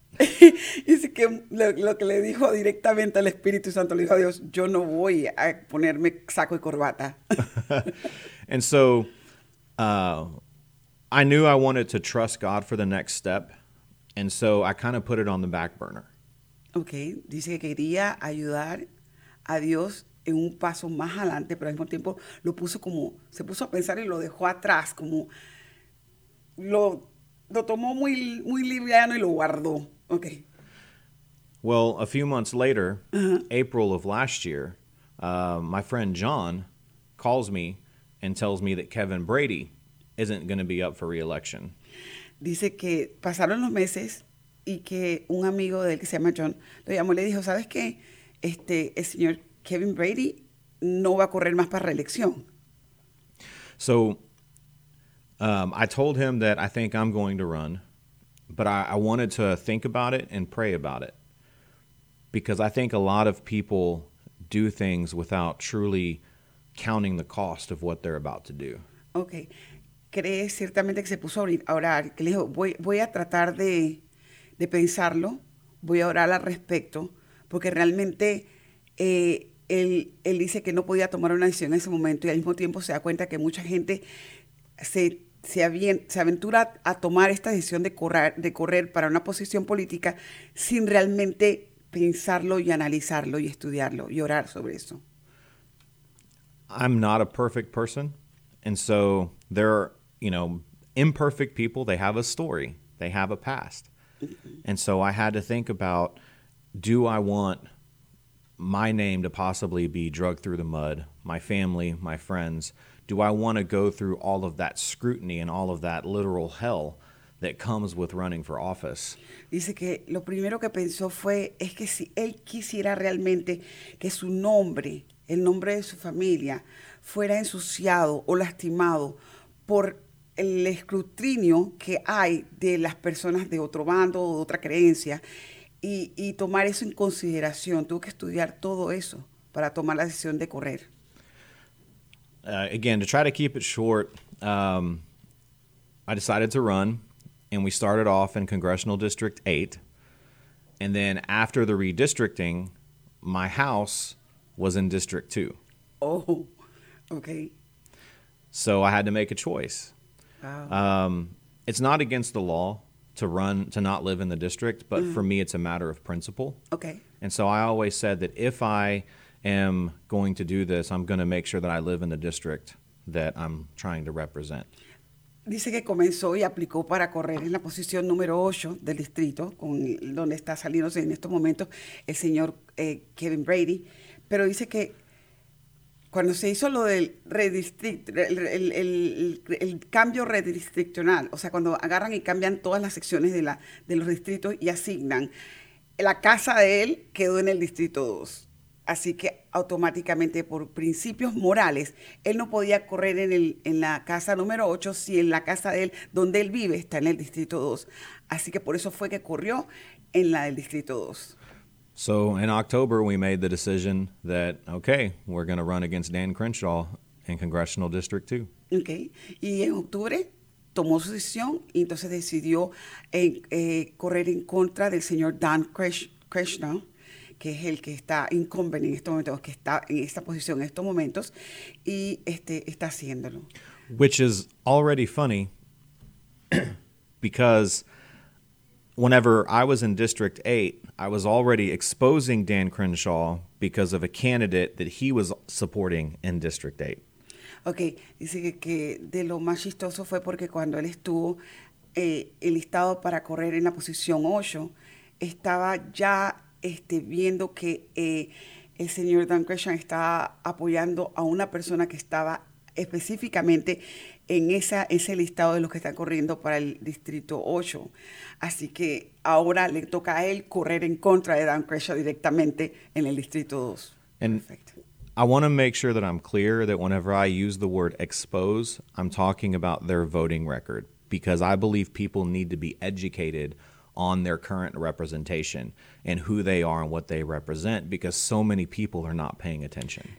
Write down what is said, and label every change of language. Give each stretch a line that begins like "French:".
Spanish: Dice que lo que le dijo directamente al Espíritu Santo, le dijo a Dios, yo no voy a ponerme saco y corbata.
English: And so, I knew I wanted to trust God for the next step. And so, I kind of put it on the back burner.
Spanish: Okay, dice que quería ayudar a Dios en un paso más adelante, pero al mismo tiempo lo puso como, se puso a pensar y lo dejó atrás, como lo tomó muy, muy liviano y lo guardó.
English: Okay. Well, a few months later, April of last year, my friend John calls me and tells me that Kevin Brady isn't going to be up for re-election.
Spanish: Dice que pasaron los meses y que un amigo de él que se llama John lo llamó y le dijo, ¿sabes qué? El señor Kevin Brady no va a correr más para reelección.
English: So, I told him that I think I'm going to run, but I wanted to think about it and pray about it. Because I think a lot of people do things without truly counting the cost of what they're about to do. Okay.
Spanish: Cree ciertamente que se puso a orar, que le dijo, voy a tratar de pensarlo, voy a orar al respecto, porque realmente él dice que no podía tomar una decisión en ese momento y al mismo tiempo se da cuenta que mucha gente se aventura a tomar esta decisión de correr para una posición política sin realmente pensarlo y analizarlo y estudiarlo y orar sobre eso.
English: I'm not a perfect person, and so there are, you know, imperfect people, they have a story, they have a past. And so I had to think about, do I want my name to possibly be dragged through the mud, my family, my friends? Do I want to go through all of that scrutiny and all of that literal hell that comes with running for office?
Spanish: Dice que lo primero que pensó fue, es que si él quisiera realmente que su nombre, el nombre de su familia, fuera ensuciado o lastimado por el escrutinio que hay de las personas de otro bando o de otra creencia y tomar eso en consideración. Tuvo que estudiar todo eso para tomar la decisión de correr.
English: Again, to try to keep it short, I decided to run and we started off in Congressional District 8. And then after the redistricting, my house was in District 2. Oh, okay. So I had to make a choice. Wow. It's not against the law to not live in the district, but for me, it's a matter of principle. Okay. And so I always said that if I am going to do this, I'm going to make sure that I live in the district that I'm trying to represent.
Spanish: Dice que comenzó y aplicó para correr en la posición número 8 del distrito, con donde está saliéndose en estos momentos el señor Kevin Brady, pero dice que cuando se hizo lo del el cambio redistriccional, o sea, cuando agarran y cambian todas las secciones de los distritos y asignan, la casa de él quedó en el distrito 2. Así que automáticamente por principios morales, él no podía correr en la casa número 8 si en la casa de él, donde él vive, está en el Distrito 2. Así que por eso fue que corrió en la del Distrito 2.
English: So in October, we made the decision that, okay, we're going to run against Dan Crenshaw in Congressional District 2. Okay.
Spanish: Y en octubre tomó su decisión y entonces decidió correr en contra del señor Dan Crenshaw, que es el que está incumbent en estos momentos, que está en esta posición en estos momentos, y está haciéndolo.
English: Which is already funny, because whenever I was in District 8, I was already exposing Dan Crenshaw because of a candidate that he was supporting in District 8.
Spanish: Okay, dice que de lo más chistoso fue porque cuando él estuvo enlistado para correr en la posición 8, estaba ya viendo que el señor Dan Crenshaw estaba apoyando a una persona que estaba específicamente en ese listado de los que están corriendo para el Distrito 8. Así que ahora le toca a él correr en contra de Dan Crenshaw directamente en el Distrito 2.
English: I want to make sure that I'm clear that whenever I use the word expose, I'm talking about their voting record, because I believe people need to be educated on their current representation and who they are and what they represent, because so many people are not paying attention.